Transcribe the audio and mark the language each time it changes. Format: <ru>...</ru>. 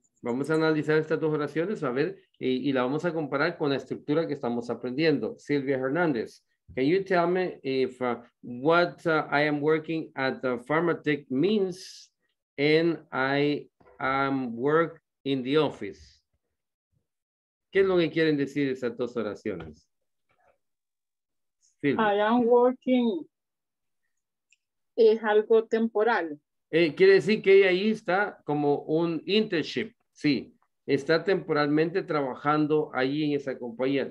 <es>Vamos a analizar estas dos oraciones, a ver, y la vamos a comparar con la estructura que estamos aprendiendo.</es> <en>Silvia Hernández, can you tell me if what I am working at the pharmatech means and I am work in the office?</en> <es>¿Qué es lo que quieren decir estas dos oraciones? Sí.</es> <en>I am working</en> <es>es algo temporal. Quiere decir que ella ahí está como un internship, sí. Está temporalmente trabajando ahí en esa compañía.</es>